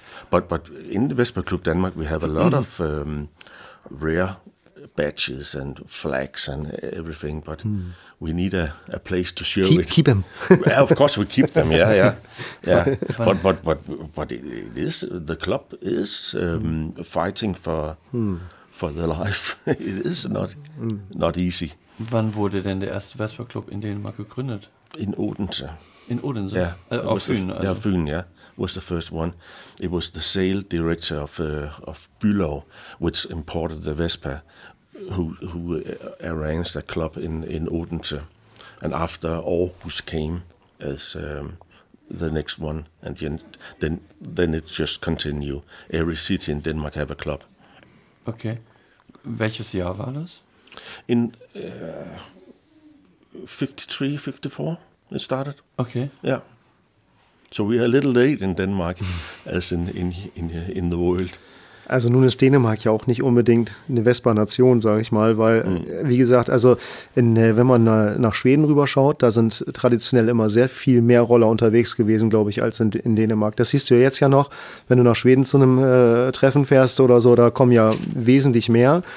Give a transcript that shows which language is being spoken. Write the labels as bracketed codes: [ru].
[en] But in the Vesper Club Denmark, we have a lot of rare badges and flags and everything, but we need a place to show it. Keep them. Yeah, of course, we keep them. Yeah, yeah, yeah. But it is the club is fighting for the life. It is not easy. [de] Wann wurde denn der erste Vesper Club in Dänemark gegründet? [en] In Odense. In Odense. Yeah, [de] auf Fyn. [en] Also. Yeah, Fyn. Yeah, was the first one. It was the sale director of Bülow, which imported the Vespa. Who arranged a club in Odense, and after Aarhus came as the next one, and then it just continued. Every city in Denmark have a club. [de] Okay, welches Jahr war das? [en] In 53, 54 it started. Okay. Yeah. So we are a little late in Denmark, as in the world. [de] Also nun ist Dänemark ja auch nicht unbedingt eine Vespa-Nation, sage ich mal, weil, wie gesagt, also wenn man nach Schweden rüberschaut, da sind traditionell immer sehr viel mehr Roller unterwegs gewesen, glaube ich, als in Dänemark. Das siehst du ja jetzt ja noch, wenn du nach Schweden zu einem Treffen fährst oder so, da kommen ja wesentlich mehr.